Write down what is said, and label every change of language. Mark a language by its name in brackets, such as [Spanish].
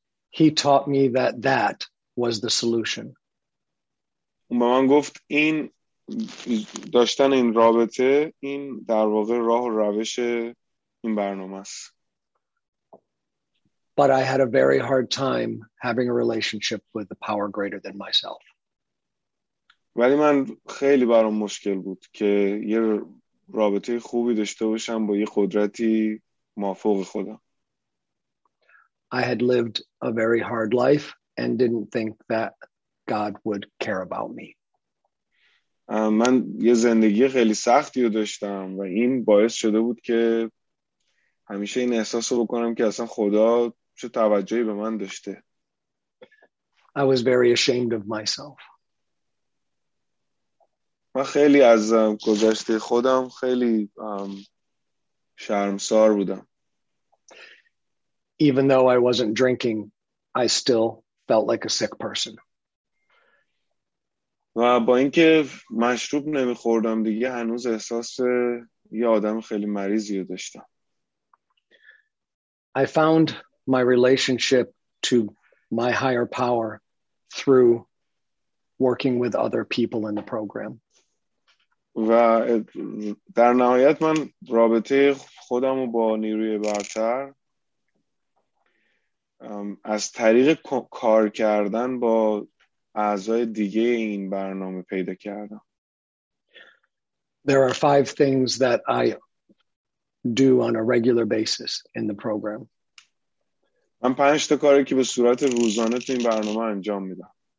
[English] He taught me that that was the solution. [Persian] اون به من گفت این داشتن این رابطه این در واقع راه و روش این برنامه است. [English] But I had a very hard time having a relationship with a power greater than myself. [Persian] ولی من خیلی برام مشکل بود که یه رابطه خوبی داشته باشم با یه قدرتی مافوق خودم. [English] I had lived a very hard life and didn't think that God would care about me. [Persian] من یه زندگی خیلی سختی رو داشتم و این باعث شده بود که همیشه این احساس رو بکنم که اصلا خدا چه توجهی به من داشته. [English] I was very ashamed of myself. [Persian] من خیلی از گذشته خودم خیلی شرمسار بودم. [English] Even though I wasn't drinking, I still felt like a sick person. [Persian] و با اینکه مشروب نمیخوردم دیگه هنوز احساس یه آدم خیلی مریضی رو داشتم. [English] I found my relationship to my higher power through working with other people in the program. [Persian] و در نهایت من رابطه خودم رو با نیروی برتر از طریق کار کردن با اعضای دیگه این برنامه پیدا کردم. [English] There are five things that I do on a regular basis in the program. [Persian] من پنج تا کاری که به صورت روزانه تو این برنامه انجام میدم.